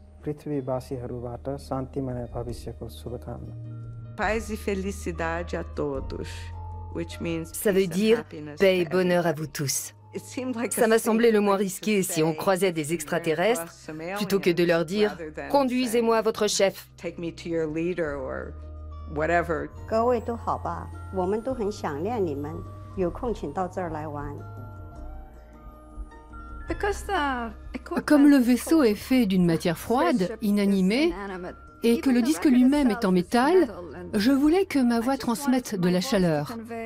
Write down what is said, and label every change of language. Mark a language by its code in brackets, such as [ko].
[pt] Paz e felicidade a todos, [en] which means [fr] ça veut dire paix et bonheur à vous tous. Ça m'a semblé le moins risqué si on croisait des extraterrestres plutôt que de leur dire conduisez-moi à votre chef. [en] Take me to your leader or whatever. [zh] 各位都好吧，我们都很想念你们，有空请到这儿来玩。 [fr] Comme le vaisseau est fait d'une matière froide, inanimée, et que le disque lui-même est en métal, je voulais que ma voix transmette de la chaleur.